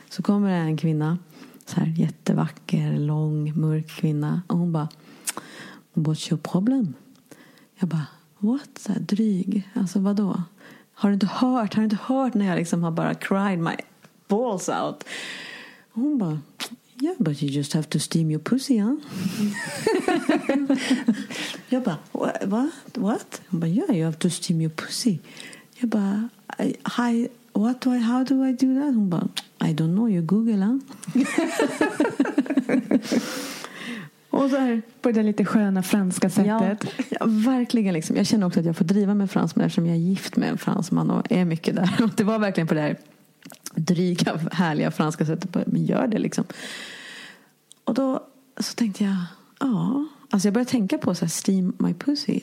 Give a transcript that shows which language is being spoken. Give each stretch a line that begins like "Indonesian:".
Swedish: Så kommer det en kvinna, så här jättevacker, lång, mörk kvinna, och hon bara,
English: what's your problem?
Swedish: Jag bara,
English: what?
Swedish: Så här, dryg, alltså vadå? Har du inte hört när jag liksom har bara
English: cried my balls out?
Swedish: Och hon bara,
English: yeah, but you just have to steam your pussy, huh?
Swedish: Jag bara,
English: what?
Swedish: Hon bara,
English: yeah, you have to steam your pussy.
Swedish: Jag bara,
English: how do I do that?
Swedish: Hon bara,
English: I don't know, you Google, huh?
Swedish: Och så här, på det lite sköna franska sättet. Ja, verkligen liksom. Jag känner också att jag får driva med fransmän eftersom jag är gift med en fransman och är mycket där. Det var verkligen på det här dryga, härliga franska sättet. Men gör det liksom. Och då så tänkte jag, ja. Alltså jag började tänka på så här,
English: steam my pussy.